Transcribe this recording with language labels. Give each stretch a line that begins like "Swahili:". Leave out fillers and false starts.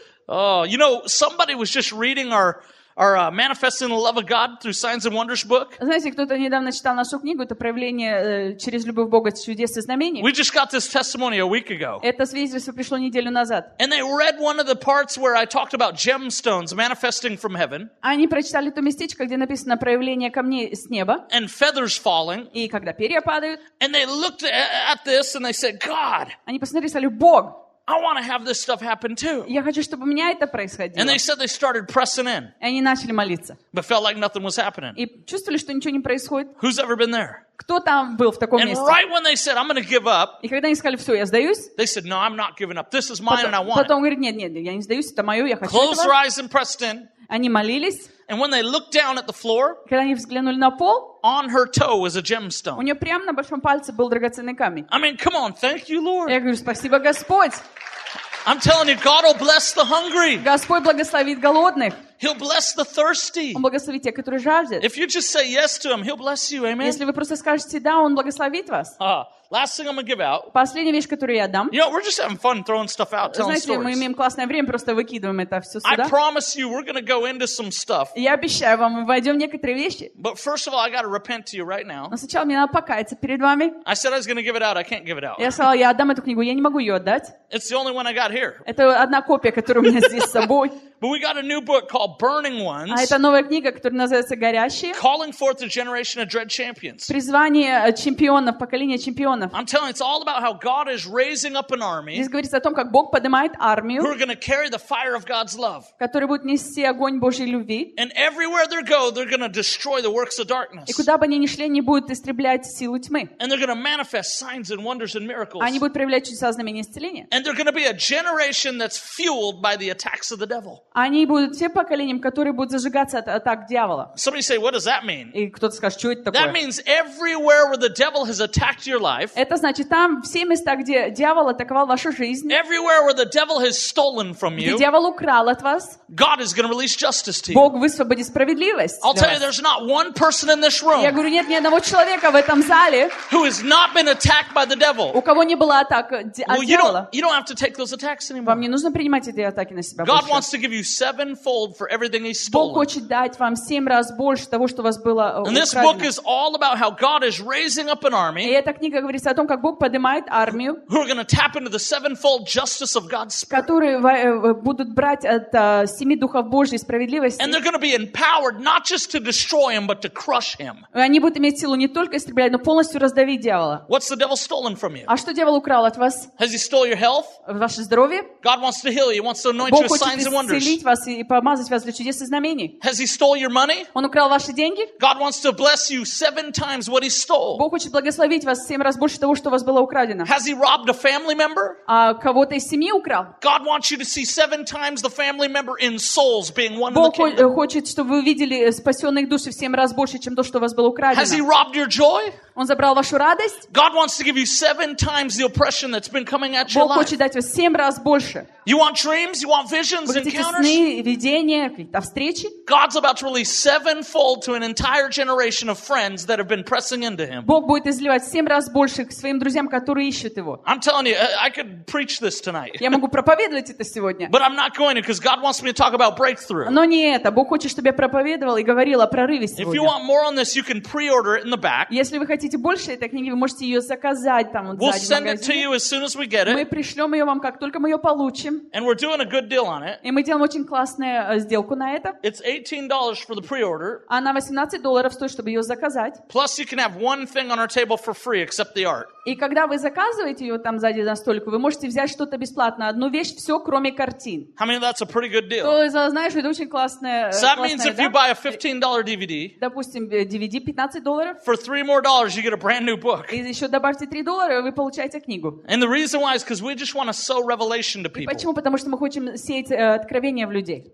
English: Oh, you know, somebody was just reading our manifesting the love of God through signs and wonders book.
Russian: Знаете, кто-то недавно читал нашу книгу, это проявление через любовь Бога, чудес и знамений.
English: We just got this testimony a week ago.
Russian: Это свидетельство пришло неделю назад.
English: And they read one of the parts where I talked about gemstones manifesting from heaven.
Russian: Они прочитали то местечко, где написано проявление камней с неба.
English: And feathers falling.
Russian: И когда перья падают.
English: And they looked at this and they said, God.
Russian: Они посмотрели и сказали, Бог.
English: I want to have this stuff happen too.
Russian: Я хочу, чтобы у меня это происходило.
English: And they said they started pressing in.
Russian: И они начали молиться.
English: But felt like nothing was happening.
Russian: И чувствовали, что ничего не происходит.
English: Who's ever been there?
Russian: Кто там был в таком
English: and
Russian: месте?
English: And right when they said, I'm going to give up.
Russian: И когда они сказали, все, я сдаюсь.
English: They said, no, I'm not giving up. This is mine and I want it.
Russian: Потом говорит, нет, я не сдаюсь, это мое, я хочу
English: Close
Russian: этого.
English: Close your eyes and pressed in.
Russian: Они молились.
English: And when they looked down at the floor,
Russian: когда они взглянули на пол,
English: on her toe was a gemstone.
Russian: У нее прямо на большом пальце был драгоценный камень.
English: I mean, come on, thank you, Lord.
Russian: Я говорю, спасибо, Господь.
English: I'm telling you, God will bless the hungry.
Russian: Господь благословит голодных.
English: He'll bless the thirsty.
Russian: Он благословит тех, которые жаждут.
English: If you just say yes to him, he'll bless you. Amen.
Russian: Если вы просто скажете да, он благословит вас.
English: Last thing I'm gonna give out.
Russian: Последняя вещь, которую я дам.
English: You know, we're just having fun throwing stuff out, telling
Russian: Знаете,
English: stories.
Russian: Знаете, мы имеем классное время, просто выкидываем это все сюда.
English: I promise you, we're gonna go into some stuff.
Russian: Я обещаю вам, мы войдем в некоторые вещи.
English: But first of all, I gotta repent to you right now.
Russian: Но сначала мне надо покаяться перед вами.
English: I said I was gonna give it out. I can't give it out.
Russian: Я сказал, я отдам эту книгу, я не могу ее отдать.
English: It's the only one I got here.
Russian: Это одна копия, которую у меня здесь с собой.
English: But we got a new book called called Burning Ones.
Russian: А это новая книга, которая называется «Горящие».
English: Calling forth a generation of dread champions.
Russian: Призвание чемпионов, поколение чемпионов.
English: I'm telling you, it's all about how God is raising up an army.
Russian: Здесь говорится о том, как Бог поднимает армию.
English: Who are going to carry the fire of God's love?
Russian: Которые будут нести огонь Божьей любви.
English: And everywhere they go, they're going to destroy the works of darkness.
Russian: И куда бы они ни шли, они будут истреблять силу тьмы.
English: And they're going to manifest signs and wonders and miracles.
Russian: Они будут проявлять чудеса, знамения, исцеления.
English: And they're going to be a generation that's fueled by the attacks of the devil.
Russian: Они будут тем поколением, которые будут зажигаться от атак дьявола.
English: Somebody say, what does that mean?
Russian: И кто-то скажет, что это такое?
English: That means everywhere where the devil has attacked your life.
Russian: Это значит там все места, где дьявол атаковал вашу жизнь.
English: Everywhere where the devil has stolen from you.
Russian: Где дьявол украл от вас.
English: God is going to release justice to you.
Russian: Бог высвободит справедливость.
English: I'll tell you, there's not one person in this room.
Russian: Я говорю, нет ни одного человека в этом зале.
English: Who has not been attacked by the devil?
Russian: У кого не было атак от дьявола?
English: You don't have to take those attacks anymore.
Russian: Вам не нужно принимать эти атаки на себя.
English: God wants to give you sevenfold for everything He's stolen.
Russian: Бог хочет дать вам семь раз больше того, что у вас было украдено.
English: And this book is all about how God is raising up an army.
Russian: И эта книга говорит о том, как Бог поднимает армию.
English: Who are going to tap into the sevenfold justice of God's Spirit?
Russian: Которые будут брать от семи духов Божьей справедливости.
English: And they're going to be empowered not just to destroy him, but to crush him.
Russian: Они будут иметь силу не только истреблять, но полностью раздавить дьявола.
English: What's the devil stolen from you?
Russian: А что дьявол украл от вас?
English: Has he stole your health?
Russian: Ваше здоровье?
English: God wants to heal you. He wants to anoint you with signs and wonders.
Russian: Бог хочет исцелить вас и помазать вас для чудес и знамений.
English: Has he stole your money?
Russian: Он украл ваши деньги?
English: God wants to bless you seven times what he stole.
Russian: Бог хочет благословить вас семь раз больше того, что у вас было украдено.
English: Has he robbed a family member?
Russian: А кого-то из семьи украл?
English: God wants you to see seven times the family member in souls being one.
Russian: Бог хочет, чтобы вы видели спасенных душ в семь раз больше, чем то, что у вас было украдено.
English: Has he robbed your joy?
Russian: Он забрал вашу радость?
English: God wants to give you seven times the oppression that's been coming at your life.
Russian: Бог хочет дать вам семь раз больше.
English: You want dreams, you want visions, encounters.
Russian: Вы хотите сны, видения, какие-то встречи?
English: God's about to release sevenfold to an entire generation of friends that have been pressing into Him.
Russian: Бог будет изливать семь раз больше к своим друзьям, которые ищут Его.
English: I'm telling you, I could preach this tonight.
Russian: Я могу проповедовать это сегодня.
English: But I'm not going to, because God wants me to talk about breakthrough.
Russian: Но не это. Бог хочет, чтобы я проповедовал и говорил о прорыве сегодня.
English: If you want more on this, you can pre-order it in the back.
Russian: Если вы хотите больше этой книги, вы можете ее заказать там в магазине.
English: We'll send it to you as soon as we get it.
Russian: Мы пришлем ее вам, как только мы ее получим.
English: And we're doing a good deal on it.
Russian: И мы делаем очень классную сделку на это.
English: It's $18 for the pre-order.
Russian: Она $18 стоит, чтобы ее заказать.
English: Plus you can have one thing on our table for free, except the art.
Russian: И когда вы заказываете ее там сзади за столику, вы можете взять что-то бесплатно, одну вещь, все, кроме картин.
English: How many of that's a pretty good deal?
Russian: То есть, знаешь, это очень классная.
English: So that means if you buy a $15 DVD.
Russian: Допустим, DVD $15.
English: For $3 more, you get a brand new book.
Russian: И еще добавьте $3, вы получаете книгу.
English: And the reason why is because we just want to sow revelation to people.
Russian: Почему? Потому что мы хотим сеять откровение в людей.